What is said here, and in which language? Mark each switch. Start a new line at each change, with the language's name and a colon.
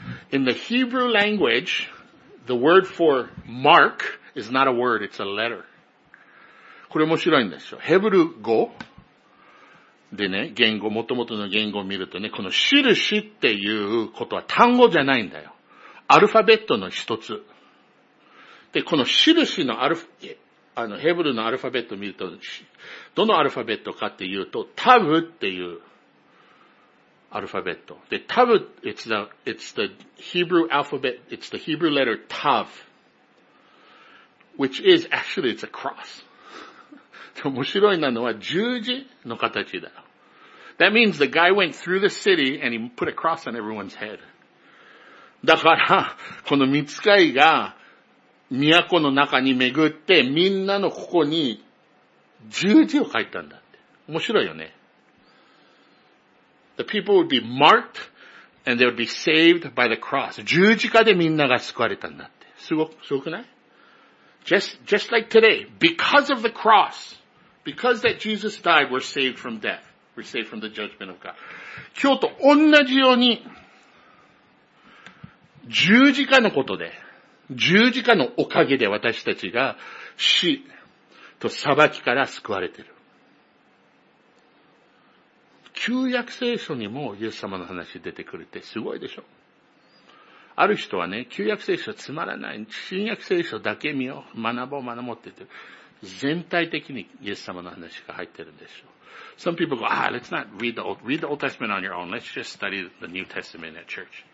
English: In the Hebrew language, the word for mark is not a word, it's a letter.
Japanese: これ面白いんですよ。ヘブル語。でね、言語、元々の言語を見るとね、この印っていうことは単語じゃないんだよ。アルファベットの一つ。で、この印のアルファ、ヘブルのアルファベットを見ると、どのアルファベットかっていうと、タブっていうアルファベット。で、タブ、
English: it's the Hebrew alphabet, it's the Hebrew letter Tav, which is actually, it's a cross.
Japanese: 面白いなのは十字の形だ。
English: That means the guy went through the city and he put a cross on everyone's head.
Japanese: だから、この御使いが都の中に巡ってみんなのここに十字を書いたんだって。面白いよね。
English: The people would be marked and they would be saved by the cross.
Japanese: 十字架でみんなが救われたんだって。すごくない？
English: Just like today, because of the cross,Because that Jesus died, we're saved from death. We're saved from the judgment of God.
Japanese: 今日と同じように、十字架のことで、十字架のおかげで私たちが死と裁きから救われている。旧約聖書にもイエス様の話出てくるってすごいでしょ。ある人はね、旧約聖書つまらない。新約聖書だけ見よう。学ぼうって言ってる。全体的にイエス様の話が入ってるんでしょう。
English: Some people go, ah, let's not read the Old Testament on your own. Let's just study the New Testament at church.